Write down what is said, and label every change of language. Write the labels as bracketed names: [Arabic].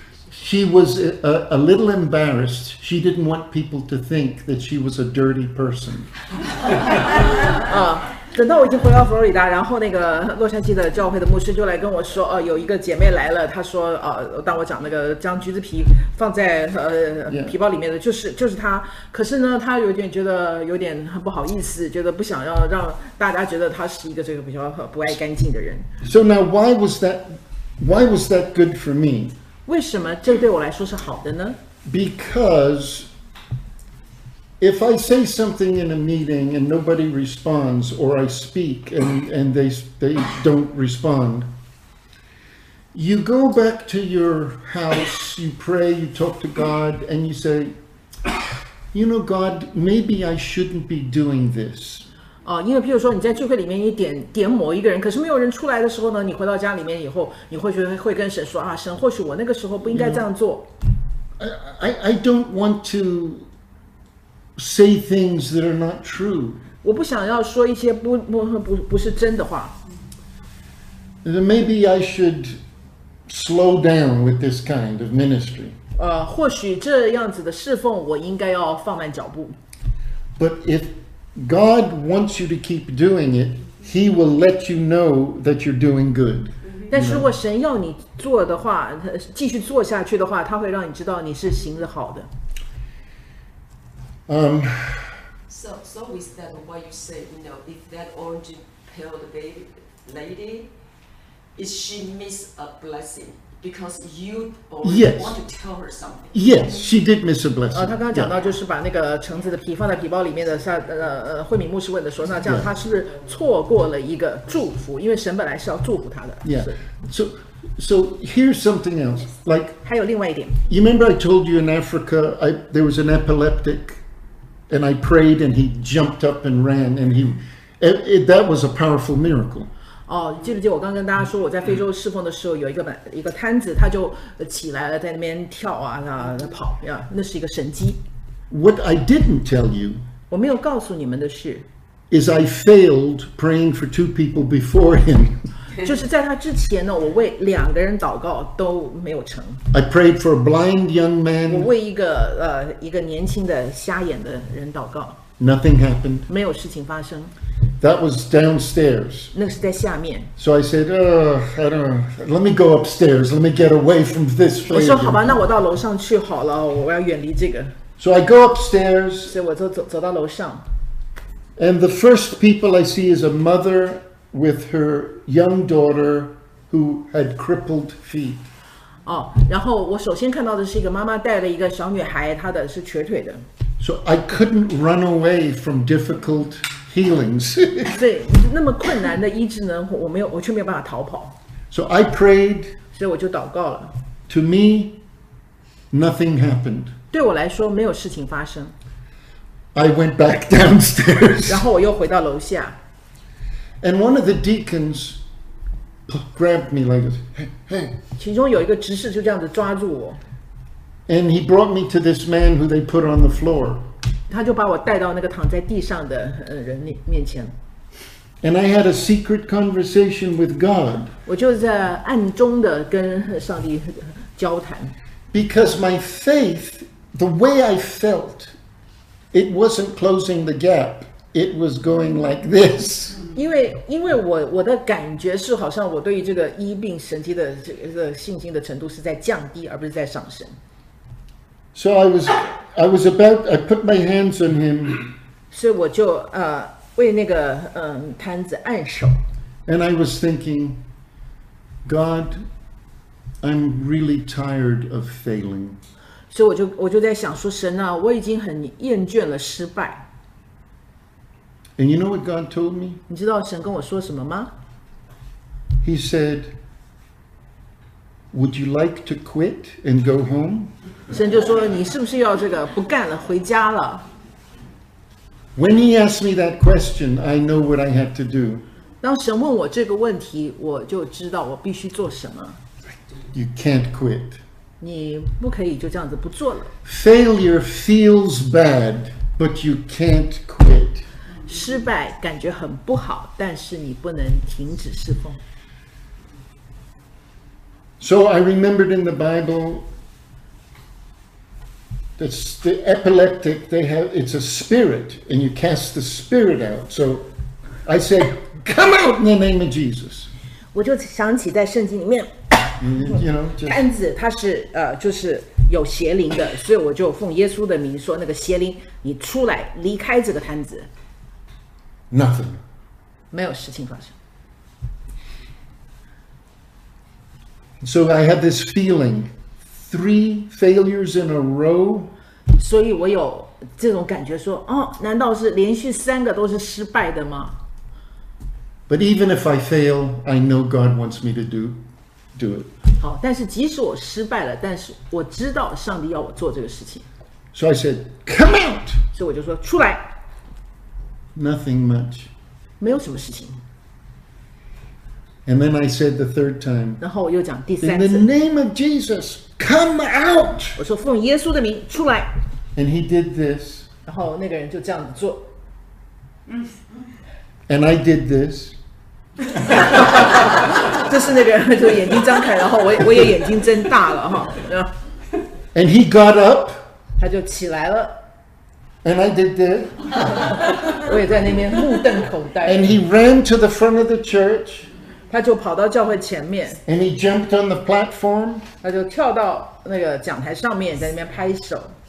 [English] She was a little embarrassed. She didn't want people to think that she was a dirty person. [Chinese] 等到我已经回到佛罗里达，然后那个洛杉矶的教会的牧师就来跟我说，有一个姐妹来了，她说，当我讲那个将橘子皮放在皮包里面的，就是她。可是呢，她有点觉得有点不好意思，觉得不想要让大家觉得她是一个这个比较不爱干净的人。 [English] So now, why was that good for me? [Chinese] 为什么这对我来说是好的呢 [English] ？Because if I say something in a meeting and nobody responds, or I speak and they don't respond, you go back to your house, you pray, you talk to God, and you say, you know, God, maybe I shouldn't be doing this. [Chinese] 因为譬如说你在聚会里面你 点某一个人可是没有人出来的时候呢你回到家里面以后你会觉得会跟神说啊神或许我那个时候不应该这样做 [English] you know, I don't want to say things that are not true [Chinese] 我不想要说一些 不是真的话 [English] Maybe I should slow down with this kind of ministry [Chinese] 或许这样子的侍奉我应该要放慢脚步 [English] But ifGod wants you to keep doing it. He will let you know that you're doing good. [Chinese] 但是如果神要你做的话，继续做下去的话，他会让你知道你是行得好的。 [English] So with that, what you say, you know, if that orange peel baby lady, is she miss a blessing? Because you already yes. want to tell her something. Yes, she did miss a blessing. [Chinese] 他刚刚讲到就是把那个橙子的皮放在皮包里面的，慧敏牧师问的说，那这样他是不是错过了一个祝福？因为神本来是要祝福他的。 [English] Yeah. So here's something else. Like [Chinese] 还有另外一点。 [English] You remember I told you in Africa, there was an epileptic, and I prayed, and he jumped up and ran, and that was a powerful miracle. [Chinese] 记不记得我刚跟大家说我在非洲侍奉的时候有一个摊子他就起来了在那边跳啊跑啊那是一个神迹 [English] What I didn't tell you [Chinese] 我没有告诉你们的是 [English] is I failed praying for two people before him [Chinese] 就是在他之前呢我为两个人祷告都没有成 [English] I prayed for a blind young man [Chinese] 我为一个年轻的瞎眼的人祷告 [English] Nothing happened [Chinese] 没有事情发生 [English] That was downstairs. [Chinese] 那是在下面。 [English] So I said, I don't know, let me go upstairs, let me get away from this failure. [Chinese] 我说好吧，那我到楼上去好了，我要远离这个。 [English] So I go upstairs. [Chinese] 所以我就走到楼上。 [English] And the first people I see is a mother with her young daughter who had crippled feet. [Chinese] 哦，然后我首先看到的是一个妈妈带了一个小女孩，她的是瘸腿的。 [English] So I couldn't run away from difficult healings. [Chinese] 对，那么困难的医治呢，我没有，我却没有办法逃跑。 [English] So I prayed. [Chinese] 所以我就祷告了。 [English] To me, nothing happened. [Chinese] 对我来说，没有事情发生。 [English] I went back downstairs. [Chinese] 然后我又回到楼下。 [English] And one of the deacons grabbed me like, hey, hey. [Chinese] 其中有一个执事就这样子抓住我。 [English] And he brought me to this man who they put on the floor. [Chinese] 他就把我带到那个躺在地上的人面前。 [English] And I had a secret conversation with God. [Chinese] 我就在暗中的跟上帝交谈。 [English] Because my faith, the way I felt, it wasn't closing the gap. It was going like this. [Chinese] 因为 我的感觉是好像我对于这个医病神迹的这个信心的程度是在降低，而不是在上升。 [English] So I was about, I put my hands on him. [Chinese] 所以我就为那个摊子按手。 [English] And I was thinking, God, I'm really tired of failing. [Chinese] 所以我就在想说，神啊，我已经很厌倦了失败。 [English] And you know what God told me? [Chinese] 你知道神跟我说什么吗？ [English] He said, Would you like to quit and go home? [Chinese] 神就说你是不是要这个不干了回家了。 [English] When he asked me that question, I know what I had to do. [Chinese] 当神问我这个问题，我就知道我必须做什么。 [English] You can't quit. [Chinese] 你不可以就这样子不做了。 [English] Failure feels bad, but you can't quit. [Chinese] 失败感觉很不好，但是你不能停止侍奉。 [English] So I remembered in the Bible that the epileptic, they have, it's a spirit, and you cast the spirit out. So I said, come out in the name of Jesus. [Chinese] 我就想起在圣经里面，摊子它是就是有邪灵的，所以我就奉耶稣的名说，那个邪灵，你出来，离开这个摊子。 [English] Nothing. [Chinese] 没有事情发生。 [English] So I had this feeling, three failures in a row. [Chinese] 所以我有这种感觉说，哦，难道是连续三个都是失败的吗？ [English] But even if I fail, I know God wants me to do it. [Chinese] 好，但是即使我失败了，但是我知道上帝要我做这个事情。 [English] So I said, come out. [Chinese] 所以我就说出来。 [English] Nothing much. [Chinese] 没有什么事情。 [English] And then I said the third time. [Chinese] 然后我又讲第三次。 [English] In the name of Jesus, come out. [Chinese] 我说奉耶稣的名出来。 [English] And he did this. [Chinese] 然后那个人就这样子做。 [English] And I did this. [Chinese] 就是那个人就眼睛张开，然后我也眼睛睁大了哈。 [English] And he got up. [Chinese] 他就起来了。 [English] And I did this. [Chinese] 我也在那边目瞪口呆。 [English] And he ran to the front of the church. [Chinese] 他就跑到教会前面。 [English] And he jumped on the platform. [Chinese] 他就跳到那个讲台上面，在那边拍手。